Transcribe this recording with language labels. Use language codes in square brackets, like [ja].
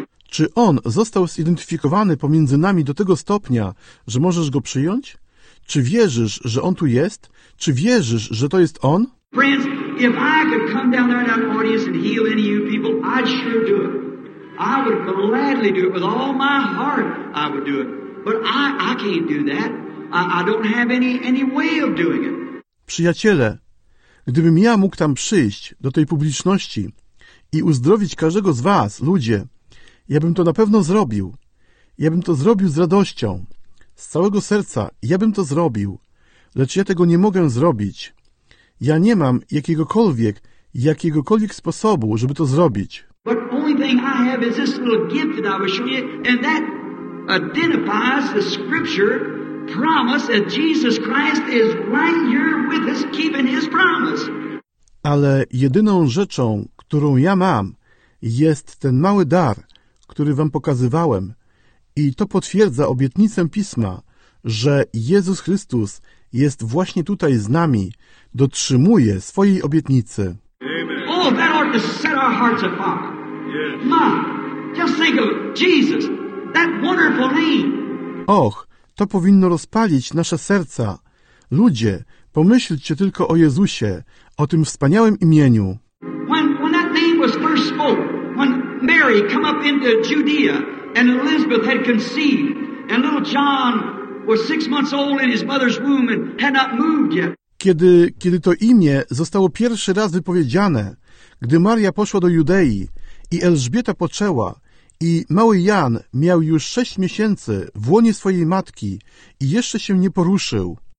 [pl] Czy On został zidentyfikowany pomiędzy nami do tego stopnia, że możesz Go przyjąć? Czy wierzysz, że On tu jest? Czy wierzysz, że to jest On? [en] Friends, if I could come down there in that audience and heal any of you people, I'd sure do it. I would gladly do it. With all my heart, I would do it. But I can't do that. I don't have any way of doing it. [pl] Przyjaciele, gdybym ja mógł tam przyjść, do tej publiczności i uzdrowić każdego z Was, ludzie, ja bym to na pewno zrobił. Ja bym to zrobił z radością. Z całego serca ja bym to zrobił. Lecz ja tego nie mogę zrobić. Ja nie mam jakiegokolwiek sposobu, żeby to zrobić. [en] But only thing I have is this little gift that I was showing you, and that identifies the scripture promise that Jesus Christ is right here with us, keeping his promise. [pl] Ale jedyną rzeczą, którą ja mam, jest ten mały dar, który wam pokazywałem. I to potwierdza obietnicę Pisma, że Jezus Chrystus jest właśnie tutaj z nami, dotrzymuje swojej obietnicy. [en] Oh, that ought to set our hearts apart. My, just think of Jesus, that wonderful name. [pl] Och, to powinno rozpalić nasze serca. Ludzie, pomyślcie tylko o Jezusie, o tym wspaniałym imieniu. [en] When that name was first spoken, when Mary came up into Judea and Elizabeth had conceived, and little John was 6 months old in his mother's womb and had not moved yet. [pl] Kiedy to imię zostało pierwszy raz wypowiedziane, gdy Maria poszła do Judei i Elżbieta poczęła, i mały Jan miał już 6 miesięcy w łonie swojej matki i jeszcze się nie poruszył.